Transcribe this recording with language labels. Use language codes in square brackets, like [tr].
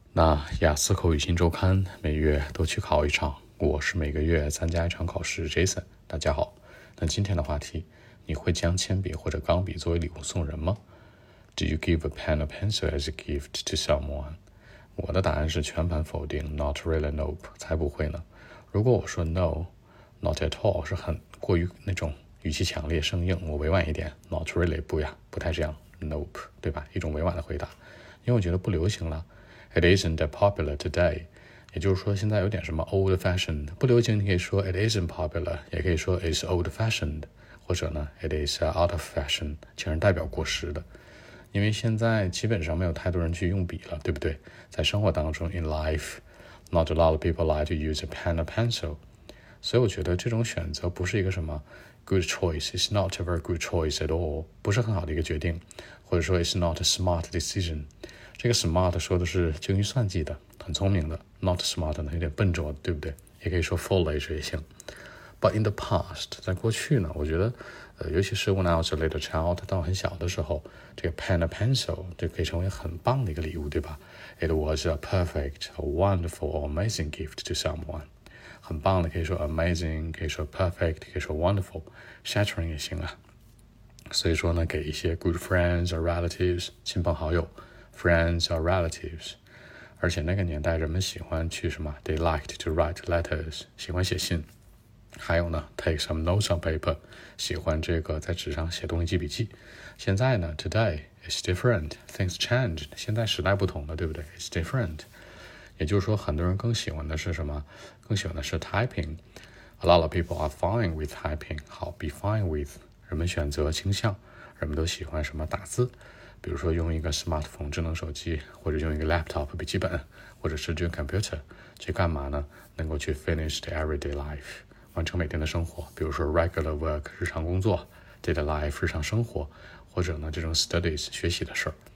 [zh] 那雅思口语新周刊每月都去考一场，我是每个月参加一场考试 Jason。大家好，那今天的话题，你会将铅笔或者钢笔作为礼物送人吗？ [en] Do you give a pen or pencil as a gift to someone? [zh] 我的答案是全盘否定， [en] Not really, nope, [zh] 才不会呢。如果我说 [en] No, not at all [zh] 是很过于那种语气强烈生硬，我委婉一点， [en] Not really, [zh] 不呀，不太这样， [en] Nope, [zh] 对吧，一种委婉的回答。因为我觉得不流行了， [en] It isn't that popular today. [zh] 也就是说现在有点什么 old fashioned. 不流行你可以说 [en] it isn't popular, [zh] 也可以说 [en] it's old fashioned, [zh] 或者呢 [en] it is out of fashion, [zh] 竟然代表过时的。因为现在基本上没有太多人去用笔了，对不对？在生活当中 [en] in life, not a lot of people like to use a pen or pencil. [zh] 所以我觉得这种选择不是一个什么 [en] good choice, it's not a very good choice at all, [zh] 不是很好的一个决定，或者说 [en] it's not a smart decision. [zh] 这个 smart 说的是精于算计的，很聪明的， [en] not smart [zh] 呢有点笨拙的，对不对？也可以说 foolish 也行。 [en] But in the past, [zh] 在过去呢，我觉得尤其是 [en] when I was a little child, [zh] 当我很小的时候，这个 [en] pen or pencil [zh] 就可以成为很棒的一个礼物，对吧？ [en] It was a perfect, a wonderful, or amazing gift to someone. [zh] 很棒的可以说 amazing, 可以说 perfect, 可以说 wonderful, shattering 也行啊。所以说呢，给一些 [en] good friends or relatives, [zh] 亲朋好友， [en] Friends or relatives. [zh] 而且那个年代人们喜欢去什么， [en] They liked to write letters, [zh] 喜欢写信。还有呢， [en] Take some notes on paper, [zh] 喜欢这个在纸上写东西记笔记。现在呢， [en] Today is different, things change, [zh] 现在时代不同了，对不对？ [en] It's different. [zh] 也就是说很多人更喜欢的是什么，更喜欢的是 typing. [en] A lot of people are fine with typing. [zh] 好， [en] be fine with, [zh] 人们选择倾向，人们都喜欢什么，打字。比如说用一个 smartphone 智能手机，或者用一个 laptop 笔记本，或者是用 computer 去干嘛呢？能够去 [en] finish the everyday life, [zh] 完成每天的生活，比如说 [en] regular work [zh] 日常工作， [en] daily life [zh] 日常生活，或者呢这种 studies 学习的事儿。